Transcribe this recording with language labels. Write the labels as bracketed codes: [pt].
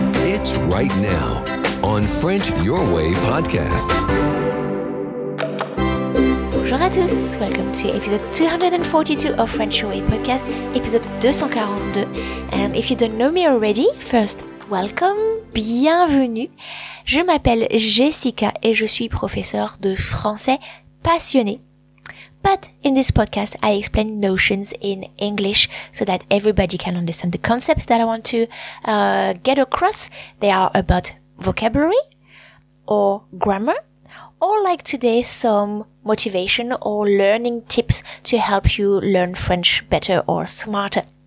[en] It's right now on French Your Way podcast. [fr] Bonjour à tous. [en] Welcome to episode 242 of French Your Way podcast, episode 242. And if you don't know me already, first, welcome, bienvenue. [fr] Je m'appelle Jessica et je suis professeure de français passionnée. [en] But in this podcast, I explain notions in English so that everybody can understand the concepts that I want to get across. They are about vocabulary or grammar, or like today, some motivation or learning tips to help you learn French better or smarter.